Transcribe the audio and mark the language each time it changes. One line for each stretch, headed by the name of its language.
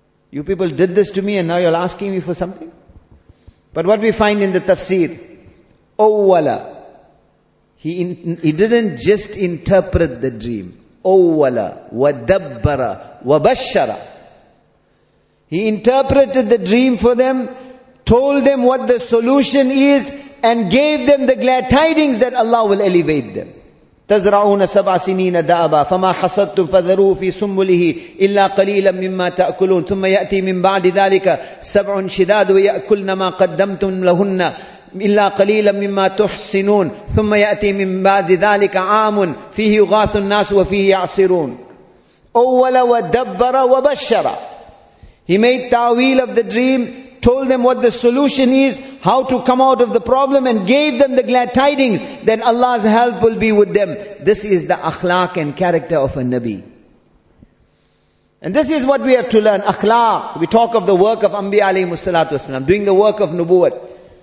English: You people did this to me and now you're asking me for something? But what we find in the tafsir, awwala, he didn't just interpret the dream. Awwala, wadabbara, wabashara. He interpreted the dream for them, told them what the solution is, and gave them the glad tidings that Allah will elevate them.
Arabic: تَزْرَعُونَ سَبْعَ سِنِينَ دَأَبًا فَمَا خَصَدْتُمْ فَذَرُوهُ فِي سُنْبُلِهِ إِلَّا قَلِيلًا مِمَّا تَأْكُلُونَ ثُمَّ يَأْتِي مِنْ بَعْدِ ذَلِكَ سَبْعٌ شِدَادٌ وَيَأْكُلْنَ مَا قَدَّمْتُمْ لَهُنَّ إلا قليلا مما تحسنون ثم يأتي من بعد ذلك عام فيه يغاث الناس وفيه يعصرون. أول ودبر وبشر.
English: He made ta'wil of the dream, told them what the solution is, how to come out of the problem, and gave them the glad tidings. Then Allah's help will be with them. This is the akhlaq and character of a Nabi. And this is what we have to learn. Akhlaq. We talk of the work of Anbiya alayhi salatu wasalam, doing the work of Nubuwwat.